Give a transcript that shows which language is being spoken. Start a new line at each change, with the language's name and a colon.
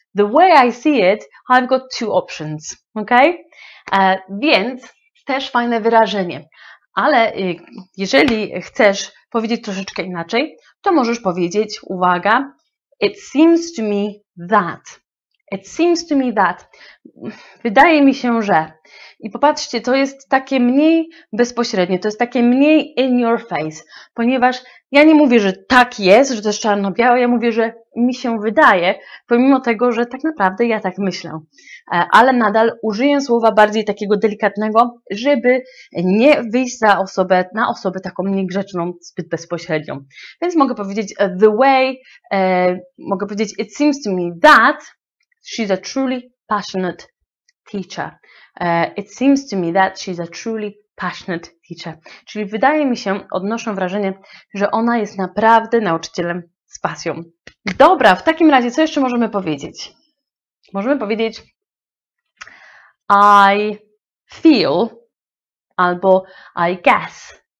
English: The way I see it, I've got two options. Ok?
Polish: Więc też fajne wyrażenie. Ale jeżeli chcesz powiedzieć troszeczkę inaczej, to możesz powiedzieć, uwaga,
English: it seems to me that. It seems to me that.
Polish: Wydaje mi się, że. I popatrzcie, to jest takie mniej bezpośrednie, to jest takie mniej
English: in your face,
Polish: ponieważ ja nie mówię, że tak jest, że to jest czarno-białe, ja mówię, że mi się wydaje, pomimo tego, że tak naprawdę ja tak myślę. Ale nadal użyję słowa bardziej takiego delikatnego, żeby nie wyjść na osobę taką niegrzeczną, zbyt bezpośrednią. Więc mogę powiedzieć
English: the way,
Polish: mogę powiedzieć
English: it seems to me that she's a truly passionate teacher. It seems to me that she's a truly passionate teacher.
Polish: Czyli wydaje mi się, odnoszę wrażenie, że ona jest naprawdę nauczycielem z pasją. Dobra, w takim razie co jeszcze możemy powiedzieć? Możemy powiedzieć
English: I feel
Polish: albo
English: I guess.